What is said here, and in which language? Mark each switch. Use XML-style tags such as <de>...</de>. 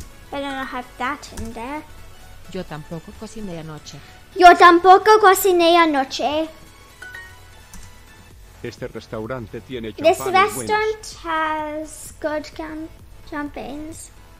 <en>I don't have that in there.</en> <es>Yo tampoco cociné anoche. Yo tampoco cociné anoche. Este restaurante tiene champagnes.</es> <en>This restaurant has good champagnes.</en>